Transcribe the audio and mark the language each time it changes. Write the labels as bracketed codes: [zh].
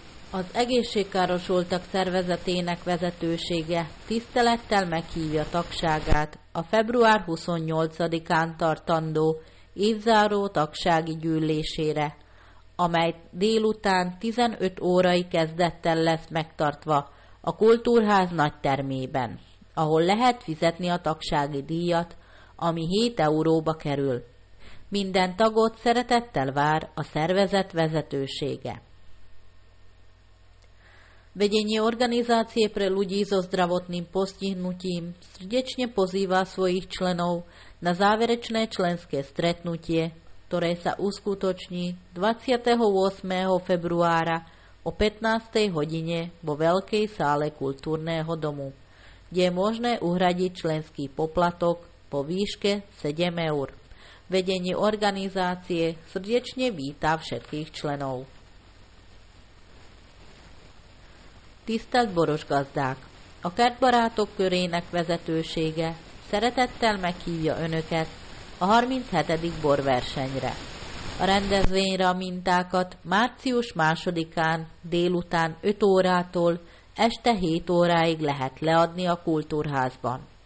[hu] Az egészségkárosultak szervezetének vezetősége tisztelettel meghívja tagságát a február 28-án tartandó évzáró tagsági gyűlésére, amely délután 15 órai kezdettel lesz megtartva a Kultúrház nagy termében, ahol lehet fizetni a tagsági díjat, ami 7 euróba kerül. Minden tagot szeretettel vár a szervezet vezetősége. [sk] Vedenie organizácie pre ľudí so zdravotným postihnutím srdečne pozýva svojich členov na záverečné členské stretnutie, ktoré sa uskutoční 28. februára o 15. hodine vo Veľkej sále kultúrneho domu, kde je možné uhradiť členský poplatok po výške 7 eur. Vedenie organizácie srdečne víta všetkých členov. [hu] Tisztelt borosgazdák! A Kertbarátok körének vezetősége szeretettel meghívja önöket a 37. borversenyre. A rendezvényre a mintákat március 2-án délután 5 órától este 7 óráig lehet leadni a Kultúrházban.